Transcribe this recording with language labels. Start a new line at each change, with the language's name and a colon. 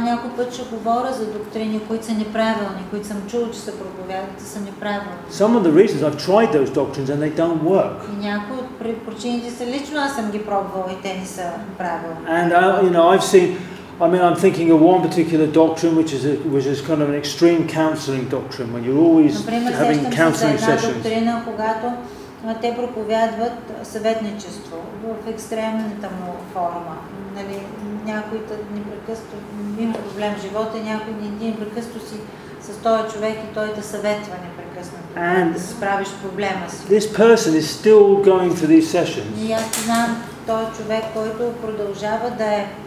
Bulgarian: някой път ще говоря за доктрини, които са неправилни, които съм чул, че са проповядат, са неправилни.
English: Some of the reasons I've tried those doctrines and they don't work.
Bulgarian: И някои от причините са лично аз съм ги пробвал и те не са правилни.
English: And you know, I've seen, I mean, I'm thinking of one particular doctrine, which is kind of an extreme counseling doctrine, when you're always having counseling sessions.
Bulgarian: Например, сещам се за една доктрина, когато те проповядват съветничество в екстремната му форма. Нали, някой непрекъсто има проблем в живота, някой непрекъсто си с този човек и той да съветва непрекъснато.
English: And
Bulgarian: да се справиш проблема си.
English: This person is still going to these sessions.
Bulgarian: И аз знам този човек, който продължава да е